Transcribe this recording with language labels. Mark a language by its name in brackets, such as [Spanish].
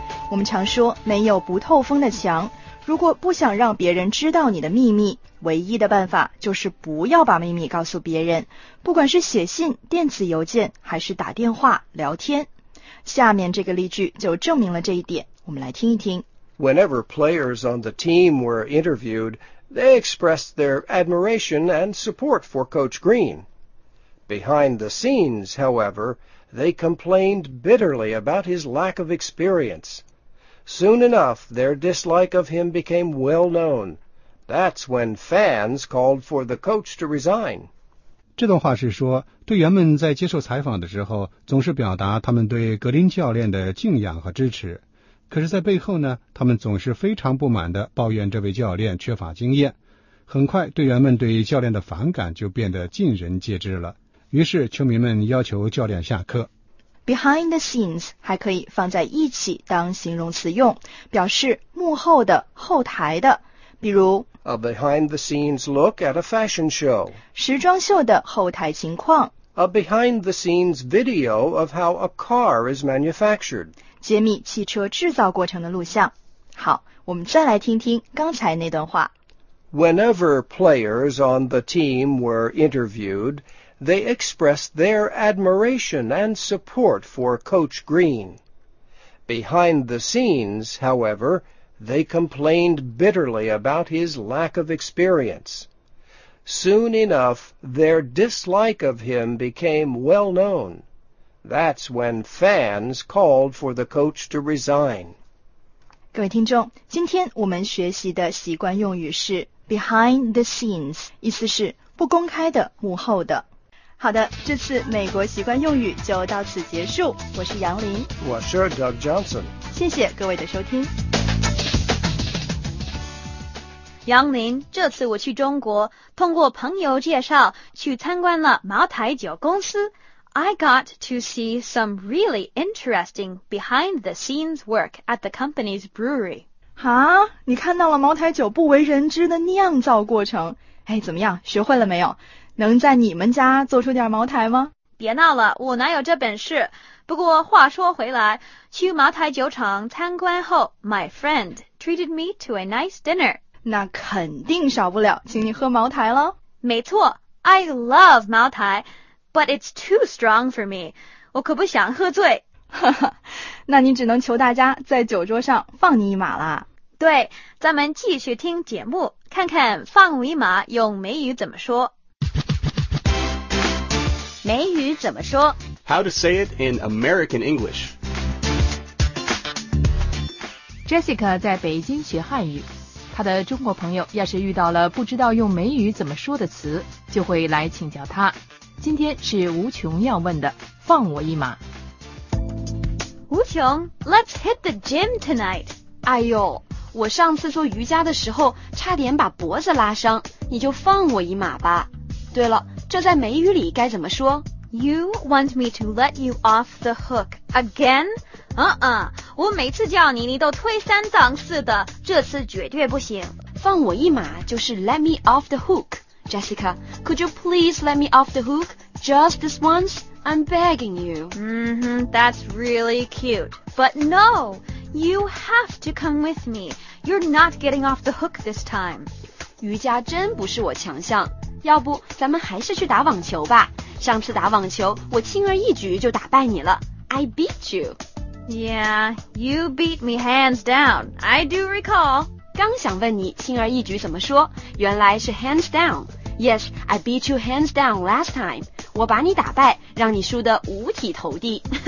[Chinese] 我们常说，没有不透风的墙。如果不想让别人知道你的秘密，唯一的办法就是不要把秘密告诉别人，不管是写信、电子邮件，还是打电话、聊天。下面这个例句就证明了这一点，我们来听一听。 [English] Whenever players on the team were interviewed, they expressed their admiration and support for Coach Green. Behind the scenes, however, they complained bitterly about his lack of experience. Soon enough, their dislike of him became well known. That's when fans called for the coach to resign. [Chinese] 这段话是说，队员们在接受采访的时候，总是表达他们对格林教练的敬仰和支持。可是，在背后呢，他们总是非常不满地抱怨这位教练缺乏经验。很快，队员们对教练的反感就变得尽人皆知了。于是，球迷们要求教练下课。 Behind the scenes 还可以放在一起当形容词用，表示幕后的、后台的，比如 [English] A behind the scenes look at a fashion show， [Chinese] 时装秀的后台情况 [English] A behind the scenes video of how a car is manufactured， [Chinese] 揭秘汽车制造过程的录像。好，我们再来听听刚才那段话。 [English] Whenever players on the team were interviewedThey expressed their admiration and support for Coach Green. Behind the scenes, however, they complained bitterly about his lack of experience. Soon enough, their dislike of him became well known. That's when fans called for the coach to resign. [Chinese] 各位听众，今天我们学习的习惯用语是 behind the scenes， 意思是不公开的、幕后的。好的，这次美国习惯用语就到此结束。我是杨林，我是 Doug Johnson，谢谢各位的收听。杨林，这次我去中国，通过朋友介绍去参观了茅台酒公司。 [English] I got to see some really interesting behind the scenes work at the company's brewery. [Chinese] 哈，你看到了茅台酒不为人知的酿造过程。哎，怎么样，学会了没有？能在你们家做出点茅台吗？别闹了，我哪有这本事。不过话说回来，去茅台酒厂参观后， [English] My friend treated me to a nice dinner. [Chinese] 那肯定少不了请你喝茅台了。没错， [English] I love 茅台， But it's too strong for me. [Chinese] 我可不想喝醉。那你只能求大家在酒桌上放你一马啦。对，咱们继续听节目，看看放我一马用美语怎么说。美语怎么说？ [English] How to say it in American English. [Chinese] Jessica 在北京学汉语，她的中国朋友要是遇到了不知道用美语怎么说的词，就会来请教她。今天是吴琼要问的，放我一马。 [English] 吴琼， Let's hit the gym tonight. [Chinese] 哎呦，我上次做瑜伽的时候差点把脖子拉伤，你就放我一马吧。对了，这在美语里该怎么说？ [English] You want me to let you off the hook again? [Chinese] 我每次叫你，你都推三挡四的，这次绝对不行。放我一马就是 let me off the hook. [English] Jessica, could you please let me off the hook just this once? I'm begging you. Mm-hmm, that's really cute. But no, you have to come with me. You're not getting off the hook this time. [Chinese] 瑜伽真不是我强项，要不咱们还是去打网球吧。上次打网球，我轻而易举就打败你了。 [English] I beat you. Yeah, you beat me hands down. I do recall. [Chinese] 刚想问你轻而易举怎么说，原来是 hands down. [English] Yes, I beat you hands down last time. [Chinese] 我把你打败，让你输得五体投地。